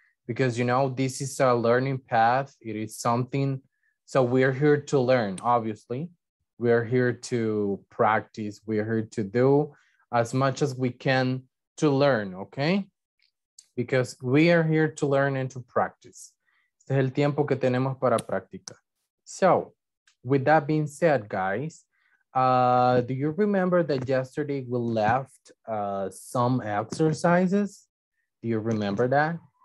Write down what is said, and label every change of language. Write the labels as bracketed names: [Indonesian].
[English] Because, you know, this is a learning path. It is something. So we are here to learn, obviously. We are here to practice. We are here to do as much as we can to learn, okay? Because we are here to learn and to practice. [Spanish] Este es el tiempo que tenemos para practicar. [English] So, with that being said, guys, do you remember that yesterday we left some exercises? Do you remember that?